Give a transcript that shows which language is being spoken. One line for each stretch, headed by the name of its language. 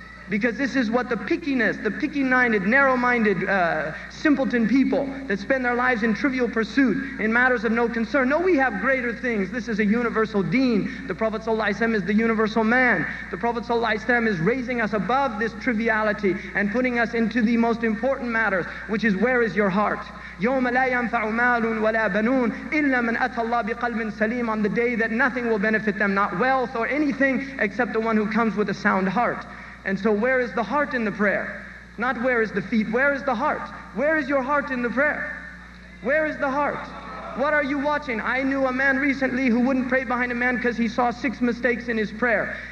English: Because this is what the pickiness, the picky-minded, narrow-minded, simpleton people that spend their lives in trivial pursuit, in matters of no concern. No, we have greater things. This is a universal deen. The Prophet ﷺ is the universal man. The Prophet ﷺ is raising us above this triviality and putting us into the most important matters, which is, where is your heart?
Arabic: يوم لا ينفع مال ولا بنون إلا من أتى الله بقلب سليم.
English: On the day that nothing will benefit them, not wealth or anything, except the one who comes with a sound heart. And so where is the heart in the prayer? Not where is the feet, where is the heart? Where is your heart in the prayer? Where is the heart? What are you watching? I knew a man recently who wouldn't pray behind a man because he saw 6 mistakes in his prayer.